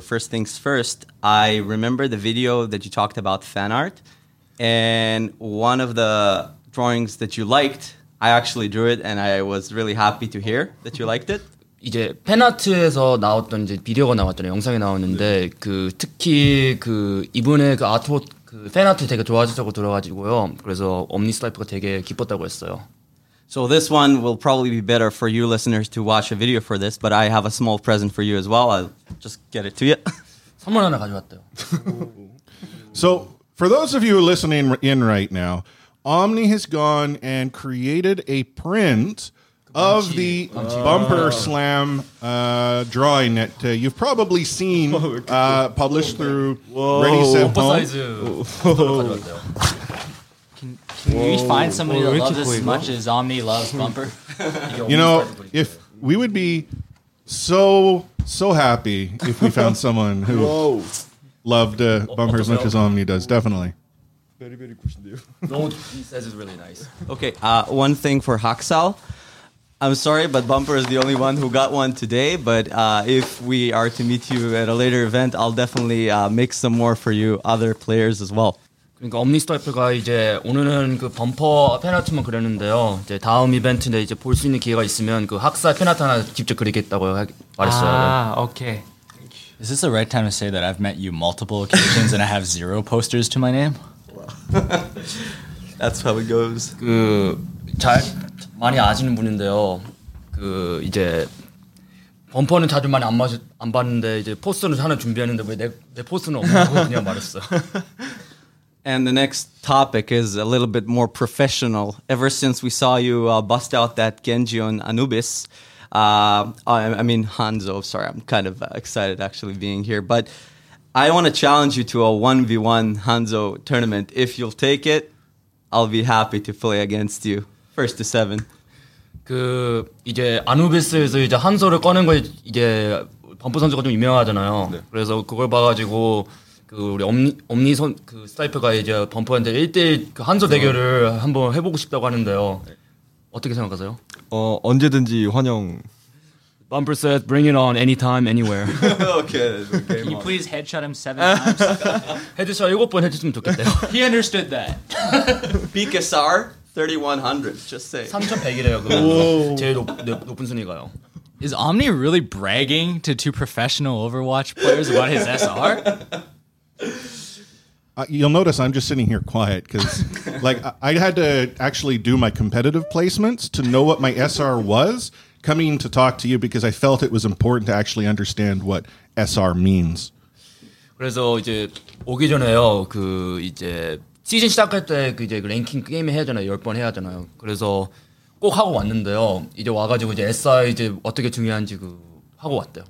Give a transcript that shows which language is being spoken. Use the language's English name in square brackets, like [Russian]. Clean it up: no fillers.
[English] First things first, I remember the video that you talked about fan art. And one of the drawings that you liked, I actually drew it and I was really happy to hear that you liked it. [Korean] 이제 팬아트에서 나왔던 이제 비디오가 나왔잖아요. 영상이 나왔는데 네. 그 특히 그 이분의 그 아트워크 그 팬아트 되게 좋아하셨다고 들어가지고요. 그래서 옴니 슬라이프가 되게 기뻤다고 했어요. [English] So this one will probably be better for you listeners to watch a video for this, but I have a small present for you as well. I'll just get it to you. [Korean] 선물 하나 가져왔대요. [English] So for those of you listening in right now, Omni has gone and created a print of the Bumper Slam drawing that you've probably seen published through Ready Set Home. Can we find somebody that loves this as much as Omni loves Bumper? You know, if we would be so happy if we found someone who loved Bumper as much as Omni does, definitely. Very, very good. He says it's really nice. Okay, one thing for Haksal. I'm sorry, but Bumper is the only one who got one today. But if we are to meet you at a later event, I'll definitely make some more for you, other players as well. [Korean] 그러니까 옴니 스타이프가 이제 오늘은 그 범퍼 팬아트만 그렸는데요. 이제 다음 이벤트 때 이제 볼 수 있는 기회가 있으면 그 학사 팬아트 하나 직접 그리겠다고 말했어요. 아, 오케이. [English] Okay. Is this the right time to say that I've met you multiple occasions and I have zero posters to my name? That's how it goes. [Korean] 그 잘 많이 아시는 분인데요. 그 이제 범퍼는 자주 많이 안 봤는데 이제 포스터는 하나 준비했는데 왜 내 포스터는 없냐고 그냥 말했어. [English] And the next topic is a little bit more professional. Ever since we saw you bust out that Genji on Anubis, Hanzo, sorry, I'm kind of excited actually being here. But I want to challenge you to a 1v1 Hanzo tournament. If you'll take it, I'll be happy to play against you. 1-7. [Korean] 그 이제 아누비스에서 이제 한소를 꺼낸 거 이제 범퍼 선수가 좀 유명하잖아요. 네. 그래서 그걸 봐가지고 그 우리 옴니 선 그 스타이프가 이제 범퍼한테 1대1 그 한소 대결을 한번 해보고 싶다고 하는데요. 어떻게 생각하세요? 언제든지 환영. [English] Bumper said, "Bring it on, anytime, anywhere." Okay. Can you please headshot him 7 times? [Korean] 헤드샷 7번 해주시면 좋겠대요. [English] He understood that. BKSR 3100. Just say. [Korean] 3100이래요. 그 제일 높은 순위가요. [English] Is Omni really bragging to two professional Overwatch players about his SR? You'll notice I'm just sitting here quiet because, like, I had to actually do my competitive placements to know what my SR was coming to talk to you because I felt it was important to actually understand what SR means. [Korean] 그래서 이제 오기 전에요, 그 이제 시즌 시작할 때 그 이제 랭킹 게임 해야 되나요? 10번 해야 되나요? 그래서 꼭 하고 왔는데요. 이제 와가지고 이제 SR 이제 어떻게 중요한지 그 하고 왔대요.